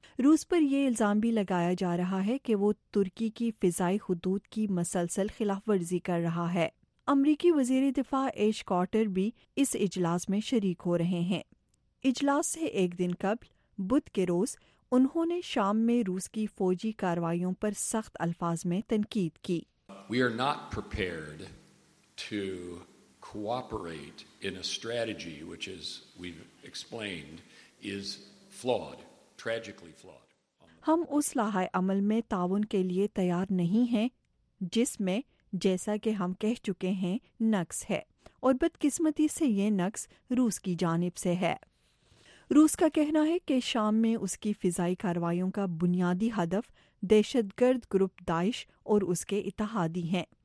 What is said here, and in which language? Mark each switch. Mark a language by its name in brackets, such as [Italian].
[Urdu] روس پر یہ الزام بھی لگایا جا رہا ہے کہ وہ ترکی کی فضائی حدود کی مسلسل خلاف ورزی کر رہا ہے. امریکی وزیر دفاع ایش کارٹر بھی اس اجلاس میں شریک ہو رہے ہیں. اجلاس سے ایک دن قبل بدھ کے روز انہوں نے شام میں روس کی فوجی کاروائیوں پر سخت الفاظ میں تنقید کی. [English] We are not prepared to cooperate in a strategy which is we've explained is flawed. [Urdu] ہم اس لائحہ عمل میں تعاون کے لیے تیار نہیں ہیں جس میں جیسا کہ ہم کہہ چکے ہیں نقص ہے، اور بدقسمتی سے یہ نقص روس کی جانب سے ہے. روس کا کہنا ہے کہ شام میں اس کی فضائی کاروائیوں کا بنیادی ہدف دہشت گرد گروپ داعش اور اس کے اتحادی ہیں.